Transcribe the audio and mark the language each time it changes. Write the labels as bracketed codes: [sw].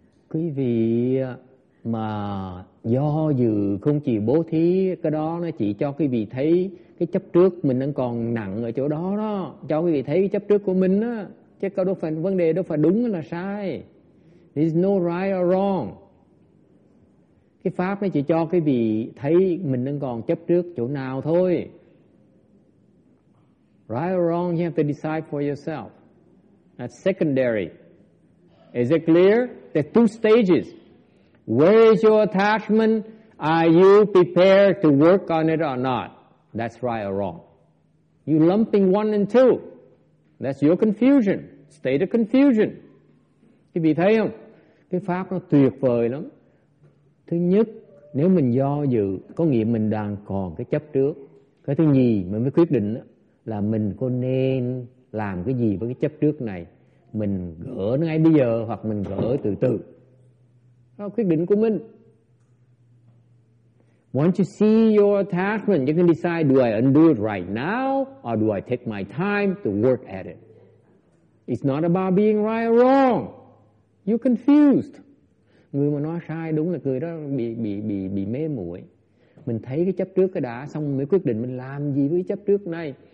[vi] Quý vị mà do dự không chịu bố thí, cái đó nó chỉ cho quý vị thấy cái chấp trước mình đang còn nặng ở chỗ đó đó. Cho quý vị thấy cái chấp trước của mình đó. Chứ có đâu phải vấn đề đâu phải đúng là sai. [en] There's no right or wrong. [vi] Cái pháp nó chỉ cho quý vị thấy mình đang còn chấp trước chỗ nào thôi. [en] Right or wrong, you have to decide for yourself. That's secondary. Is it clear? There are two stages. Where is your attachment? Are you prepared to work on it or not? That's right or wrong. You're lumping one and two. That's your confusion. State of confusion. [vi] Quý vị thấy không? Cái pháp nó tuyệt vời lắm. Thứ nhất, nếu mình do dự, có nghĩa mình đang còn cái chấp trước. Cái thứ nhì, mình mới quyết định là mình có nên làm cái gì với cái chấp trước này. Mình gỡ nó ngay bây giờ hoặc mình gỡ từ từ. Đó là quyết định của mình. [en] Once you see your attachment, you can decide, do I undo it right now or do I take my time to work at it? It's not about being right or wrong. You're confused. [vi] Người mà nói sai đúng là người đó bị mê muội. Mình thấy cái chấp trước cái đã, xong mới quyết định mình làm gì với cái chấp trước này.